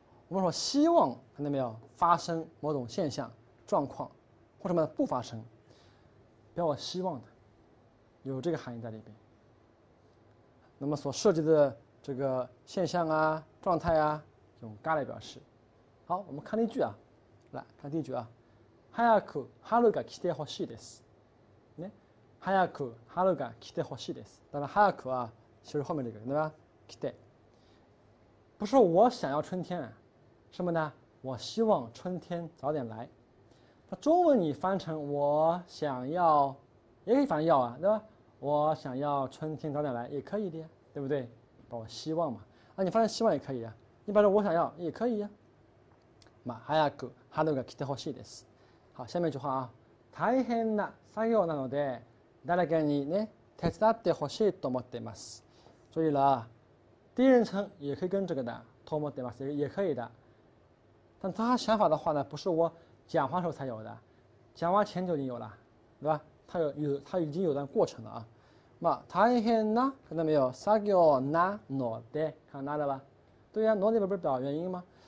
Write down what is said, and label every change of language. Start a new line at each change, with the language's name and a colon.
Chinese: 我们说希望，看到没有？发生某种现象、状况，或什么不发生，表我希望的。有这个含义在里边，那么所涉及的这个现象啊、状态啊，用嘎来表示。好，我们看例句啊，来看例句啊，
Japanese: 早く春が来てほしいです。
Chinese: ね、
Japanese: 早く春が来てほしいです。
Chinese: 当然，早く啊，其实后面这个对吧？来て，不是我想要春天啊，什么呢？我希望春天早点来。那中文你翻成我想要，也可以翻译要啊，对吧？我想要春天早点来，也可以的呀，对不对？把我希望嘛，啊，你放在希望也可以呀，你把这我想要也可以呀。嘛，
Japanese: 早く春が来てほしいです。
Chinese: 好，下面一句话啊，
Japanese: 大変な作業なので、誰かにね、手伝ってほしいと思ってます。
Chinese: 注意了啊，第一人称也可以跟这个的，
Japanese: と思ってます，
Chinese: 也可以的。但他想法的话呢，不是我讲话时候才有的，讲话前就已经有了，对吧？它已经有段过程了啊。嘛，
Japanese: 大変な，
Chinese: 看到没有？
Japanese: 作業なので，
Chinese: 看到那了吧？对呀，ので不是表原因吗？